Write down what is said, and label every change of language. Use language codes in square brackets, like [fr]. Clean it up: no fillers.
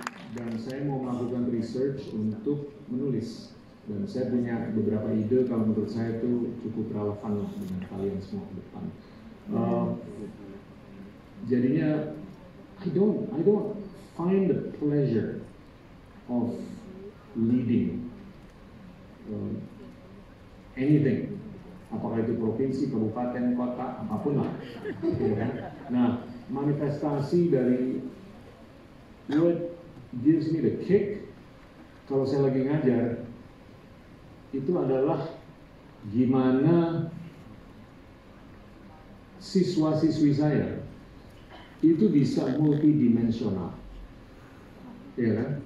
[id] Dan saya mau melakukan research untuk menulis. Dan saya punya beberapa ide kalau menurut saya itu cukup relevan dengan kalian semua ke depan. [en] Jadinya, I don't find the pleasure of leading anything. [id] Apakah itu provinsi, kabupaten, kota, apapun lah. Nah, manifestasi dari [en] what gives me the kick [id] kalau saya lagi ngajar itu adalah gimana siswa-siswi saya itu bisa multidimensional. Ya kan?